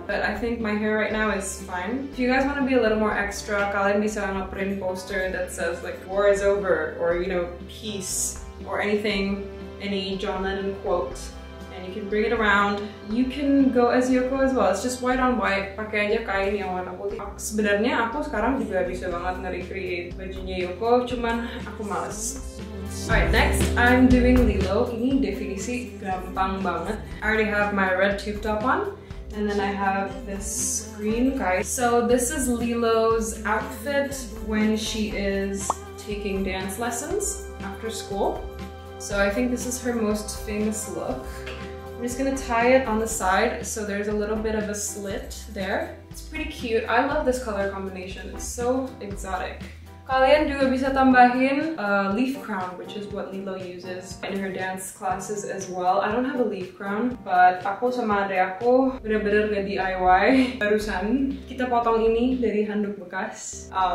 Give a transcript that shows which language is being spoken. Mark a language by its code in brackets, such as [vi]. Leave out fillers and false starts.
[en] But I think my hair right now is fine. If you guys want to be a little more extra, [id] kalian bisa ngeprint [en] poster that says like war is over or you know peace or anything, any John Lennon quote, and you can bring it around. You can go as Yoko as well. It's just white on white. [id] Pakai aja KAIN yang warna putih. Sebenarnya aku sekarang juga bisa banget nge-recreate bajunya Yoko, cuman aku males. [en] Alright, next I'm doing Lilo. [id] Ini definisi gampang banget. [en] I already have my red tube top on, and then I have this green KAIN. So this is Lilo's outfit when she is taking dance lessons after school. So I think this is her most famous look. I'm just gonna tie it on the side so there's a little bit of a slit there. It's pretty cute. I love this color combination. It's so exotic. [id] Kalian juga bisa tambahin [en] a leaf crown, which is what Lilo uses in her dance classes as well. I don't have a leaf crown, but [id] aku sama adek aku bener-bener nge-DIY barusan. Kita potong ini dari handuk bekas.